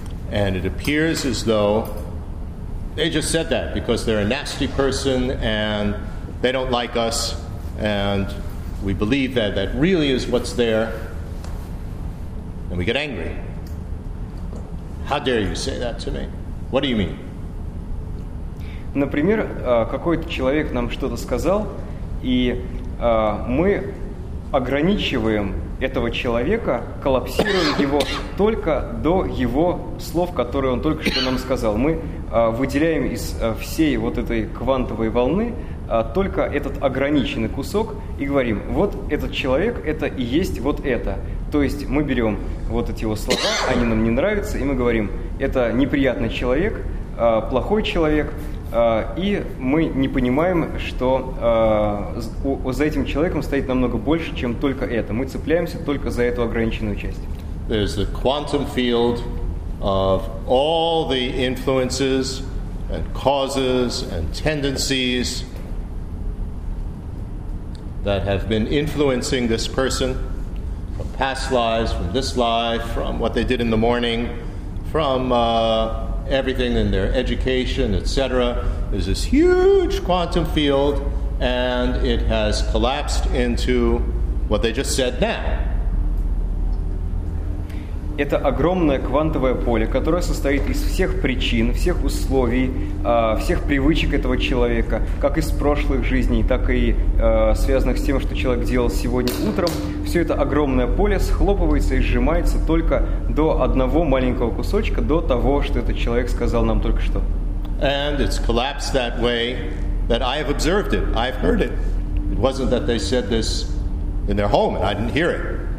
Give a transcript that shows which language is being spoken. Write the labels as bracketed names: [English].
[English] And it appears as though they just said that because they're a nasty person and they don't like us, and we believe that that really is what's there, and we get angry. How dare you say that to me? What do you mean? [Russian] Например, какой-то человек нам что-то сказал, и мы ограничиваем этого человека, коллапсируем его только до его слов, которые он только что нам сказал. Мы выделяем из всей вот этой квантовой волны только этот ограниченный кусок и говорим, вот этот человек, это и есть вот это. То есть мы берем вот эти его слова, они нам не нравятся, и мы говорим, это неприятный человек, плохой человек, и мы не понимаем, что за этим человеком стоит намного больше, чем только это. Мы цепляемся только за эту ограниченную часть. [English] There's the quantum field of all the influences and causes and tendencies that have been influencing this person from past lives, from this life, from what they did in the morning, from everything in their education, etc. There's this huge quantum field, and it has collapsed into what they just said now. [Russian] Это огромное квантовое поле, которое состоит из всех причин, всех условий, всех привычек этого человека, как из прошлых жизней, так и связанных с тем, что человек делал сегодня утром. Все это огромное поле схлопывается и сжимается только до одного маленького кусочка, до того, что этот человек сказал нам только что. [English] And it's collapsed that way that I have observed it, I've heard it. It wasn't that they said this in their home and I didn't hear it.